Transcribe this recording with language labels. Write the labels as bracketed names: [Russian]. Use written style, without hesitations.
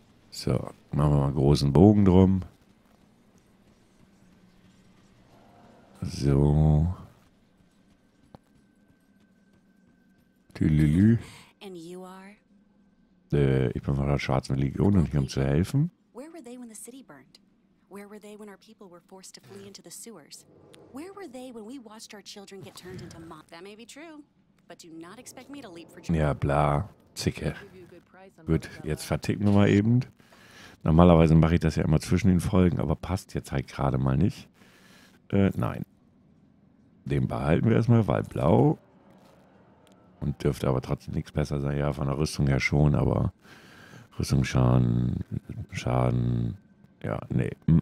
[German] So, machen wir mal einen großen Bogen drum. So. Tülülü. [English] And you are? [German] Ich bin von der Schwarzen Legion und hier, um zu helfen. [English] Where were they when the city burned? Where were they when our people were forced to flee into the sewers? Where were they when we watched our children get turned into moths? That may be true, but do not expect me to leap for joy. [German] Ja, bla, Zicke. Gut, jetzt verticken wir mal eben. Normalerweise mache ich das ja immer zwischen den Folgen, aber passt jetzt halt gerade mal nicht. Nein. Den behalten wir erstmal, weil blau. Und dürfte aber trotzdem nichts besser sein. Ja, von der Rüstung her schon, aber Rüstungsschaden, ja, nee.